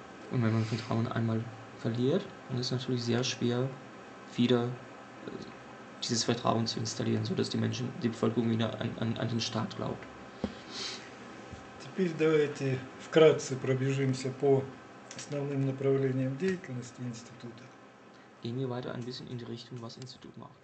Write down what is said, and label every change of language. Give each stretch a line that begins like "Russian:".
German: Und wenn man Vertrauen einmal verliert, dann ist es natürlich sehr schwer, wieder dieses Vertrauen zu installieren, sodass die Menschen, die Bevölkerung wieder an den Staat glaubt.
Russian: Теперь давайте вкратце пробежимся по основным направлениям деятельности института.
German: Gehen wir weiter ein bisschen in die Richtung, was Institut macht.